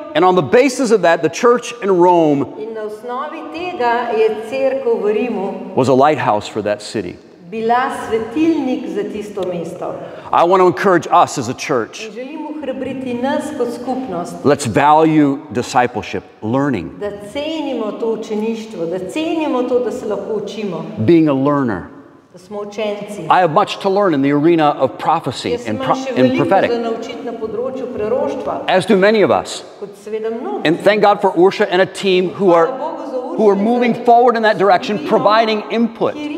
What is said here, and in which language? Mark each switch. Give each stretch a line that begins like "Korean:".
English: and on the basis of that, the church in Rome
Slovenian: in na osnovi tega je cerkev v Rimu
English: was a lighthouse for that city.
Slovenian: bila svetilnik za tisto mesto.
English: I want to encourage us as a church.
Slovenian: Želim ohrabriti nas kot skupnost.
English: Let's value discipleship, learning.
Slovenian: Da cenimo to učeništvo, da cenimo to, da se lahko učimo.
English: Being a learner.
Slovenian: Da smo učenci.
English: I have much to learn in the arena of prophecy and prophetic.
Slovenian: Jaz imam še veliko za naučiti na področju preroštva.
English: As do many of us.
Slovenian: Kot seveda mnogi.
English: And thank God for Ursha and a team who are moving forward in that direction, providing input.